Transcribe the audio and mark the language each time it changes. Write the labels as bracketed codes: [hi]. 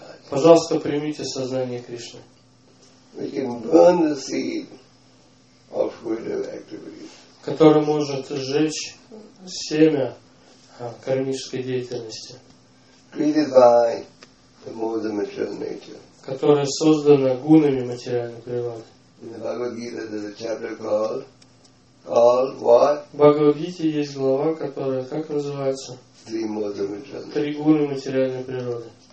[ru] Пожалуйста, примите сознание Кришны. [en] We can burn the seed of willful activity. [ru] Который может сжечь семя кармической деятельности. [en] Created by the modes of material nature. [ru] Которое создано гунами материальной природы. [en] In the Bhagavad Gita there's a chapter called [ru] Бхагавадгите есть глава, которая как называется? Три гуны материальной природы.